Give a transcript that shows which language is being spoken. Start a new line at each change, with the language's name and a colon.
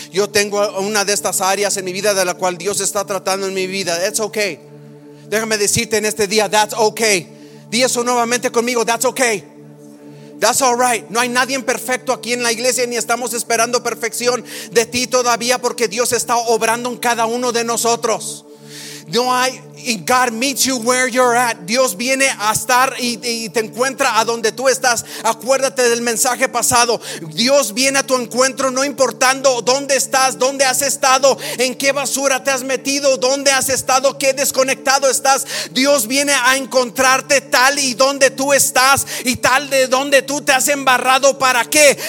Spanish: Yo tengo una de estas áreas en mi vida de la cual Dios está tratando en mi vida.
English: That's okay.
Spanish: Déjame decirte en este día:
English: that's okay.
Spanish: Di eso nuevamente conmigo:
English: that's okay. That's all right.
Spanish: No hay nadie imperfecto aquí en la iglesia, ni estamos esperando perfección de ti todavía, porque Dios está obrando en cada uno de nosotros. No hay,
English: God meets you where you're at.
Spanish: Dios viene a estar y te encuentra a donde tú estás. Acuérdate del mensaje pasado. Dios viene a tu encuentro, no importando dónde estás, dónde has estado, en qué basura te has metido, dónde has estado, qué desconectado estás. Dios viene a encontrarte tal y donde tú estás, y tal de donde tú te has embarrado. ¿Para qué?